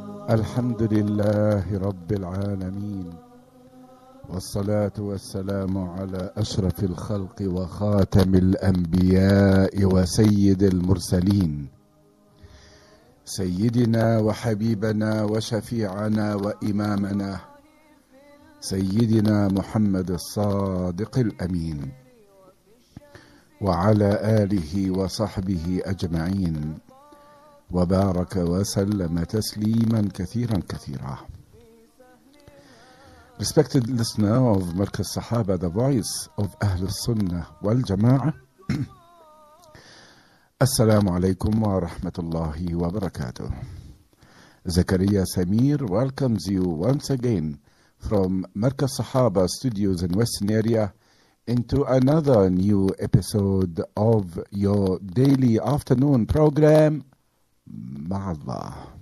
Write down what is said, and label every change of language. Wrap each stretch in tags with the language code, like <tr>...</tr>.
<ar>الحمد لله رب العالمين والصلاة والسلام على أشرف الخلق وخاتم الأنبياء وسيد المرسلين سيدنا وحبيبنا وشفيعنا وإمامنا سيدنا محمد الصادق الأمين وعلى آله وصحبه أجمعين وبارك وسلم تسليما كثيرا كثيرا.</ar> <en>Respected listener of Markaz Sahaba, the voice of أهل السنة والجماعة.</en> <ar>السلام عليكم ورحمة الله وبركاته.</ar> <en>زكريا سمير welcomes you once again from Markaz Sahaba Studios in Western Area into another new episode of your daily afternoon program مع الله.</en>